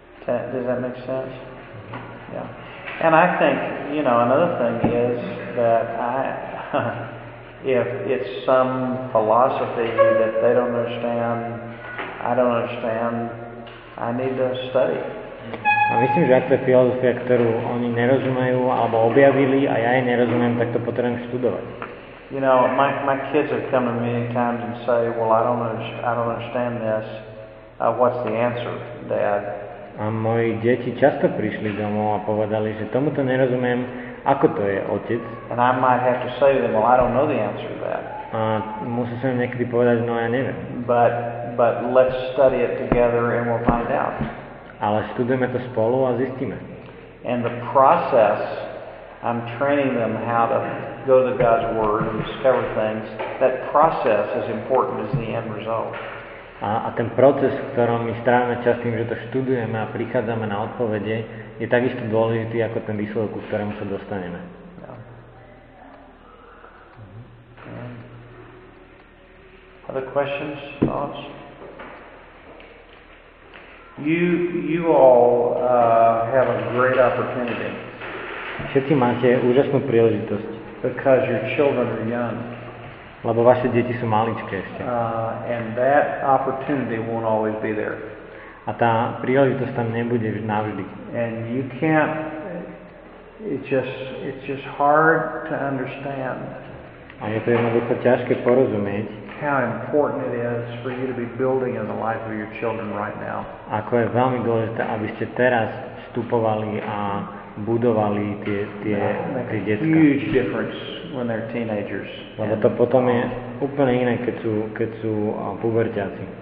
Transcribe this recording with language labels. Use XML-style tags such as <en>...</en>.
<en>Does that make sense? Mm-hmm. Yeah. And I think, you know, another thing is that I if it's some philosophy that they don't understand, I don't understand, I need to study.</en> <sk>A myslím, že ak to je filozofia, ktorú oni nerozumejú alebo objavili a ja jej nerozumiem, tak to potrebujem študovať.</sk> <en>You know, my kids have come to me many times and say, well, I don't understand this. What's the answer, Dad?</en> <sk>A moji deti často prišli domov a povedali, že tomuto nerozumiem, ako to je, otec?</sk> <en>And I might have to say to them, well, I don't know the answer to that.</en> <sk>A musím sa im niekedy povedať, no ja neviem.</sk> <en>But let's study it together and we'll find out.</en> <sk>Ale študujeme to spolu a zistíme.</sk> <en>And the process, I'm training them how to go to God's word and discover things. That process is important as the end result.</en> <sk>A ten proces, v ktorom my strávame čas tým, že to študujeme a prichádzame na odpovede, je takisto dôležitý ako ten výsledok, k ktorému sa dostaneme.</sk> <en>Other questions, thoughts? You all have a great opportunity.</en> <sk>Všetci máte úžasnú príležitosť.</sk> <en>Because your children are young.</en> <sk>Lebo vaše deti sú maličké ešte.</sk> <en>And that opportunity won't always be there.</en> <sk>A tá príležitosť tam nebude navždy.</sk> <en>And you can't, it's just hard to understand.</en> <sk>A je to jednoducho ťažké porozumieť.</sk> <en>How important it is for you to be building in the life of your children right now.</en> <sk>Ako je veľmi dôležité, aby ste teraz vstupovali a budovali tie detská.</sk> <en>Huge difference when they're teenagers.</en> <sk>Lebo to potom je úplne iné, keď sú puberťáci.</sk>